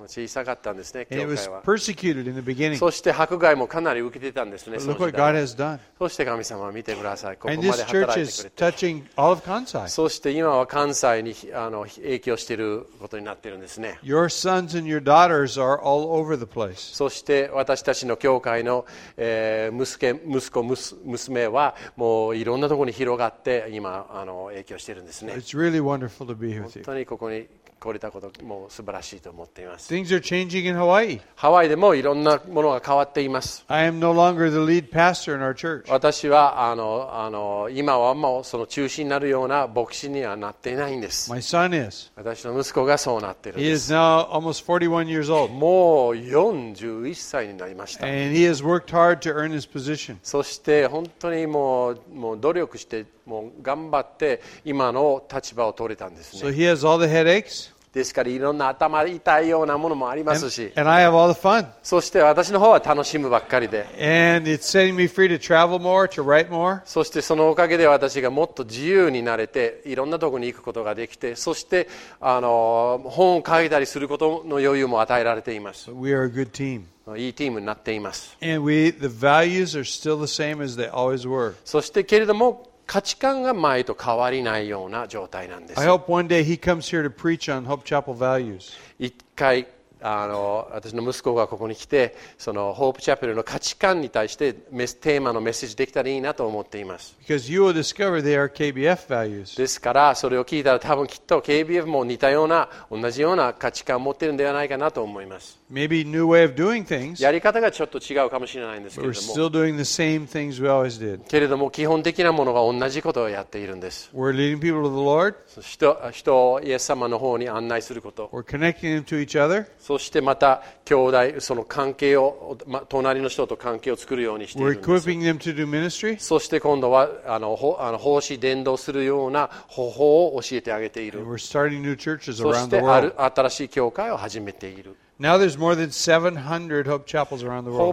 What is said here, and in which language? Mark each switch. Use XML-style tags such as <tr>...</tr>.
<ja>小さかったんですね、教会は。</ja> <en>And it was persecuted in the beginning.</en> <ja>そして迫害もかなり受けてたんですね、その時代。</ja> <en>Look what God has done.</en> <ja>そして神様見てください、ここまで働いてくれて。</ja> <en>And this church is touching all of Kansai.</en> <ja>そして今は関西に影響していることになっているんですね。</ja> <en>Your sons and your daughters are all over the place.</en> <ja>そして私たちの教会の、息子、娘はもういろんなところに広がって今。影響してるんですね。</ja> <en>It's really wonderful to be with you.</en> <ja>本当にここに来れたことも素晴らしいと思っています。</ja> <en>Things are changing in Hawaii.</en> <ja>ハワイでもいろんなものが変わっています。</ja> <en>I am no longer the lead pastor in our church.</en> <ja>私は今はもうその中心になるような牧師にはなっていないんです。</ja> <en>My son is.</en> <ja>私の息子がそうなっているんです。</ja> <en>He is now almost 41 years old.</en> <ja>もう41歳になりました。</ja> <en>And he has worked hard to earn his position.</en> <ja>そして本当にもう努力して。もう頑張って今の立場を取れたんですね。</ja> <en>So he has all the headaches.</en> <ja>ですからいろんな頭痛いようなものもありますし。</ja> <en>And I have all the fun.</en> <ja>そして私の方は楽しむばっかりで。</ja> <en>And it's setting me free to travel more, to write more.</en> <ja>そしてそのおかげで私がもっと自由になれて、いろんなところに行くことができて、そして本を書いたりすることの余裕も与えられています。</ja> <en>We are a good team.</en> <ja>いいチームになっています。</ja> <en>And we, the values are still the same as they always were.</en> <ja>そしてけれども価値観が前と変わりないような状態なんです。</ja> <en>I hope one day he comes here to preach on Hope Chapel values.</en> <ja>一回あの私の息子がここに来てそのホープチャペルの価値観に対してテーマのメッセージできたらいいなと思っています。</ja> <en>Because you will discover they are KBF values.</en> <ja>ですからそれを聞いたら多分きっと KBF も似たような同じような価値観を持っているのではないかなと思います。</ja> <en>Maybe new way of doing things,</en> <ja>やり方がちょっと違うかもしれないんですけれども</ja> <en>We're still doing the same things we always did.</en> <ja>けれども基本的なものが同じことをやっているんです。</ja> <en>We're leading people to the Lord.</en> <ja>人をイエス様の方に案内すること。</ja> <en>We're connecting them to each other.</en> <ja>そしてまた兄弟その関係を隣の人と関係を作るようにしているんです。</ja> <en>We're equipping them to do ministry.</en> <ja>そして今度はあの奉仕伝道するような方法を教えてあげている。</ja> <en>And we're starting new churches around the world.</en> <ja>そしてある新しい教会を始めている。</ja> <en>Now there's more than 700 Hope Chapels around the world.</en>